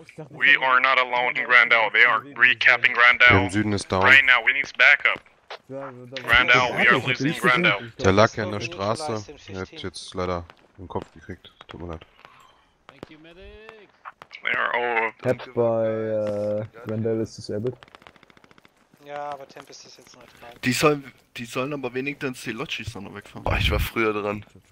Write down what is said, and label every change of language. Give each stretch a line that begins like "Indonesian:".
English: We are not alone in Grandel. They are recapping Grandel.
German: Der Süden ist down.
English: Right now, we need backup. Grandel, we are losing Grandel.
German: Der lag ja in der Straße. Er hat jetzt leider den Kopf gekriegt. Tut mir leid.
English: They are all of them. Tap by Grandel is disabled.
German: Ja, aber Tempest ist jetzt neutral. Die sollen aber wenigstens die Lodgies dann noch wegfahren. Boah, ich war früher dran.